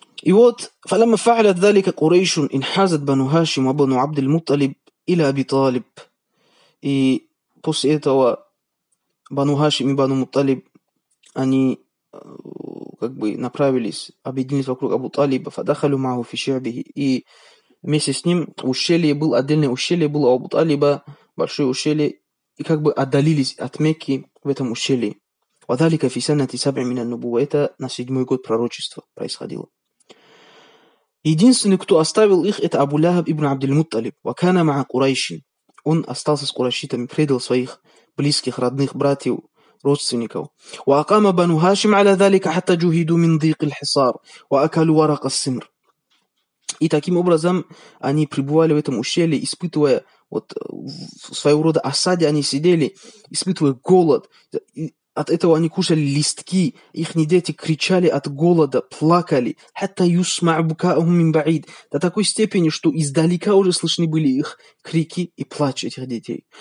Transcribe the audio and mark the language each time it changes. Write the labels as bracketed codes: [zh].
[ru] И вот, [ar] فلما فعلت ذلك قريش انحازت بنو هاشم وبنو عبد المطلب إلى أبي طالب. [ru] И после этого бану Хашим и бану Мутталиб, они как бы направились, объединились вокруг Абу Талиба, [ar] فدخلوا معه في شعبه. [ru] И вместе с ним ущелье было, отдельное ущелье было Абу Талиба, большое ущелье, и как бы отдалились от Мекки в этом ущелье. [ar] وذلك في سنة سبع من النبوة, [ru] это на седьмой год пророчества происходило. Единственный, кто оставил их, это Абу Лахаб ибн Абдель-Мутталиб. [ar] وكان مع قريش. [ru] Он остался с курайшитами, предал своих близких, родных, братьев, родственников. [ar] وأقام بنو هاشم على ذلك حتى جهدوا من ضيق الحصار وأكلوا ورق السمر. [ru] И таким образом они пребывали в этом ущелье, испытывая вот своего рода осаде, они сидели, испытывая голод. От этого они кушали листки, ихние дети кричали от голода, плакали. [ar] Хатта юсмаъ букаъухум мин баъид. [ru] До такой степени, что издалека уже слышны были их крики и плач этих детей.